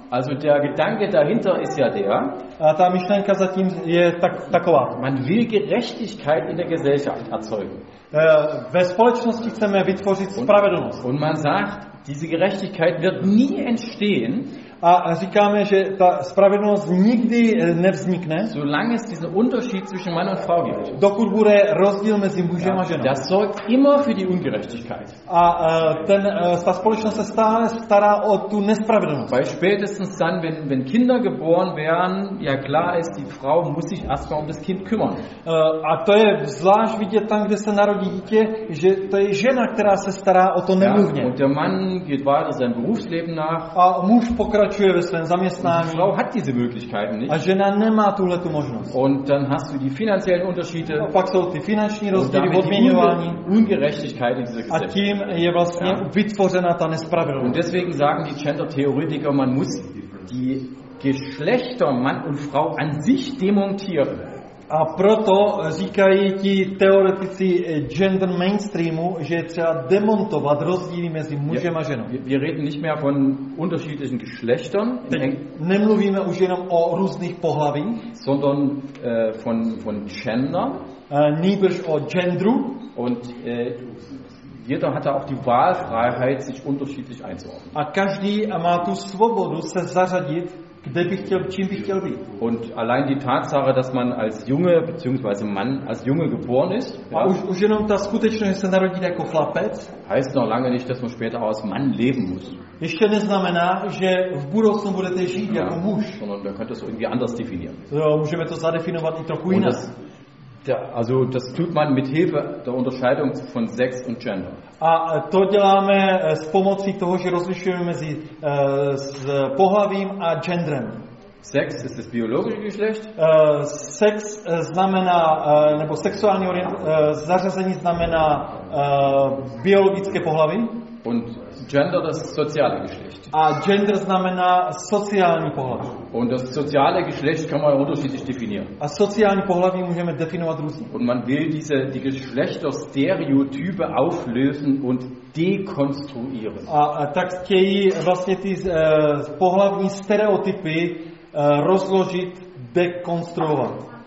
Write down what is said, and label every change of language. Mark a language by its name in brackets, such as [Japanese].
[German] Also der Gedanke dahinter ist ja der, [Czech] ta myšlenka zatím je taková. [German] Man will Gerechtigkeit in der Gesellschaft erzeugen. [Czech] Ve společnosti chceme vytvořit spravedlnost. [German] Und man sagt, diese Gerechtigkeit wird nie entstehen, [Czech] a říkáme, že ta spravedlnost nikdy nevznikne, [German] solange es diesen Unterschied zwischen Mann und Frau gibt. [Czech] Dokud bude rozdíl mezi mužem a ženou. [German] Das sorgt immer für die Ungerechtigkeit. [Czech] A ta společnost se stále stará o tu nespravedlnost. [German] Weil spätestens dann, wenn Kinder geboren werden, ja klar ist, die Frau muss sich erstmal um das Kind kümmern. [Czech] A to je zvlášť vidět tam, kde se narodí dítě, že to je žena, která se stará o to nemluvně. [German] Und der Mann geht weiter seinem Berufsleben nach. [Czech] A muž pokračuje pokračuje ve svém zaměstnání. [German] Frau hat diese Möglichkeiten nicht. [Czech] A žena nemá tuhle tu možnost. [German] Und dann hast du die finanziellen Unterschiede. [Czech] A pak jsou ty finanční rozdíly v odměňování. [German] Ungerechtigkeit in dieser Gesellschaft. [Czech] A tím je vlastně vytvořena ta nespravedlnost. [German] Und deswegen sagen die Gender-Theoretiker, man muss die Geschlechter Mann und Frau an sich demontieren. [Czech] A proto říkají ti teoretici gender mainstreamu, že je třeba demontovat rozdíly mezi mužem a ženou. [German] Wir reden nicht mehr von unterschiedlichen Geschlechtern. [Czech] Nemluvíme už jenom o různých pohlavích, [German] sondern von gender. [Czech] Nýbrž o genderu. [German] Und jeder hat da auch die Wahlfreiheit, sich unterschiedlich einzuordnen. [Czech] A každý má tu svobodu se zařadit, kde bych chtěl, čím bych chtěl být. [German] Und allein die Tatsache, dass man als Junge bzw. Mann als Junge geboren ist, [Czech] a už jenom ta skutečnost, že se narodí jako chlapec, [German] heißt noch lange nicht, dass man später auch als Mann leben muss. [Czech] Ještě neznamená, že v budoucnu budete žít jako muž. [German] Sondern man könnte es irgendwie anders definieren. [Czech] Můžeme to zadefinovat i trochu jinak. [German] Also das tut man mit Hilfe der Unterscheidung von Sex und Gender. [Czech] A to děláme s pomocí toho, že rozlišujeme mezi s pohlavím a genderem. [German] Sex ist das biologische Geschlecht. [Czech] Sex znamená nebo sexuální zařazení znamená biologické pohlaví. [German] Und gender das soziale Geschlecht. [Czech] A gender znamená sociální pohlaví. [German] Und das soziale Geschlecht kann man unterschiedlich definieren. [Czech] A sociální pohlaví můžeme definovat různě. [German] Und man will die Geschlechterstereotype auflösen und dekonstruieren. [Czech] A tak chtějí vlastně ty pohlavní stereotypy rozložit, dekonstruovat.